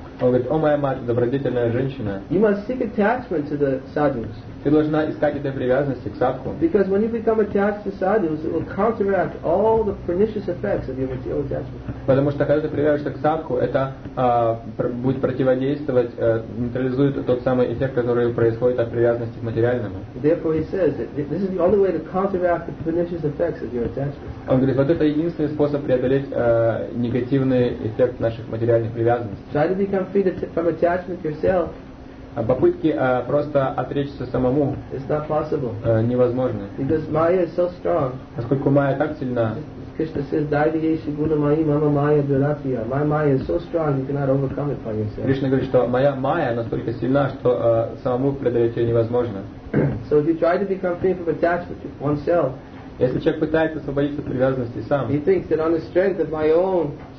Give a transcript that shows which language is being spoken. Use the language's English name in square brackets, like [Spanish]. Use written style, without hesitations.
[Russian] Он говорит, о моя мать, добродетельная женщина. [English] You must seek attachment to the sadhus. [Russian] Ты должна искать этой привязанности к садху. [English] Because when you become attached to sadhus, it will counteract all the pernicious effects of your material attachment. [Russian] Потому что когда ты привязываешься к садху, это будет противодействовать, нейтрализует тот самый эффект, который происходит от привязанности к материальному. [English] Therefore, he says that this is the only way to counteract the pernicious effects of your attachment. [Russian] Он говорит, вот это единственный способ преодолеть негативный эффект наших материальных привязанностей. [English] Try to become free from attachment yourself. [Russian] Попытки просто отречься самому невозможны. [English] Because Maya is so strong. [Russian] Поскольку Майя так сильна. [English] Krishna says, [Sanskrit] "Daivyeshi guna mayi mama Maya duratiya." [English] My Maya is so strong, you cannot overcome it by yourself. [Russian] Кришна говорит, что моя Майя настолько сильна, что самому преодолеть ее невозможно. [English] So if you try to become free from attachment to oneself, [Russian] если человек пытается освободиться от привязанности сам, [English] he thinks that on the strength of my own